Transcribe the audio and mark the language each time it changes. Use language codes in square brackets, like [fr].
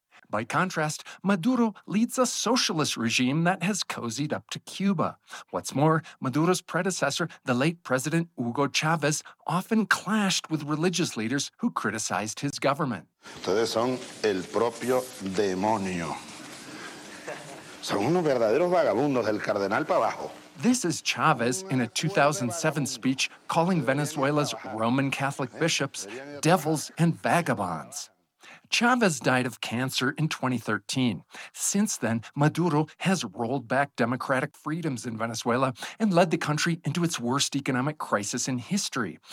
[en] By contrast, Maduro leads a socialist regime that has cozied up to Cuba. What's more, Maduro's predecessor, the late President Hugo Chavez, often clashed with religious leaders who criticized his government. [es] Ustedes son el propio demonio. Son unos verdaderos vagabundos del cardenal para abajo. [en] This is Chavez in a 2007 speech calling Venezuela's Roman Catholic bishops devils and vagabonds. Chavez died of cancer in 2013. Since then, Maduro has rolled back democratic freedoms in Venezuela and led the country into its worst economic crisis in history.